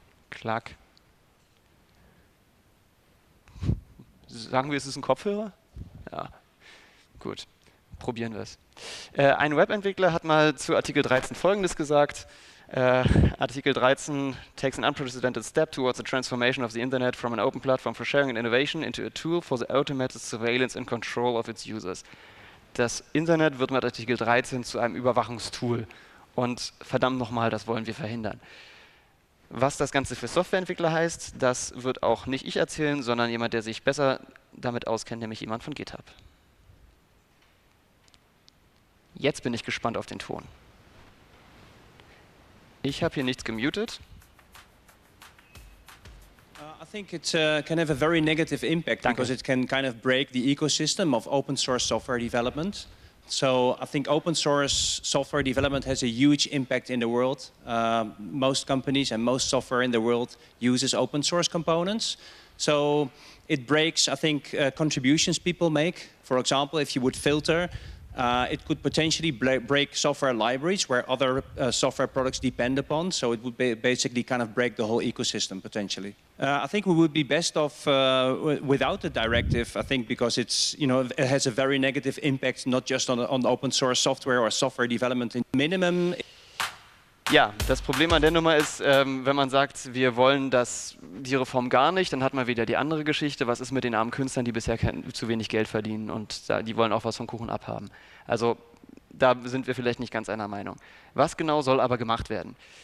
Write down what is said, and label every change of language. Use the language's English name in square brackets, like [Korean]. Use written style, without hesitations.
[German] Klack. Sagen wir, es ist ein Kopfhörer? Ja. Gut. Probieren wir es. Ein Webentwickler hat mal zu Artikel 13 Folgendes gesagt. [English] Artikel 13 takes an unprecedented step towards the transformation of the Internet from an open platform for sharing and innovation into a tool for the automated surveillance and control of its users. [German] Das Internet wird mit Artikel 13 zu einem Überwachungstool. Und verdammt nochmal, das wollen wir verhindern. Was das Ganze für Softwareentwickler heißt, das wird auch nicht ich erzählen, sondern jemand, der sich besser damit auskennt, nämlich jemand von GitHub. Jetzt bin ich gespannt auf den Ton. Ich habe hier nichts gemutet. [English] I think it can have a very negative impact. [German] Danke. [English] Because it can kind of break the ecosystem of open source software development. So I think open source software development has a huge impact in the world. Most companies and most software in the world uses open source components. So it breaks, I think, contributions people make. For example, if you would filter, it could potentially break software libraries where other software products depend upon. So it would basically kind of break the whole ecosystem, potentially. I think we would be best off without the directive, I think, because it's, you know, it has a very negative impact, not just on open source software or software development. In minimum. [German] Ja, das Problem an der Nummer ist, wenn man sagt, wir wollen das, die Reform gar nicht, dann hat man wieder die andere Geschichte. Was ist mit den armen Künstlern, die bisher zu wenig Geld verdienen und da, die wollen auch was vom Kuchen abhaben? Also da sind wir vielleicht nicht ganz einer Meinung. Was genau soll aber gemacht werden?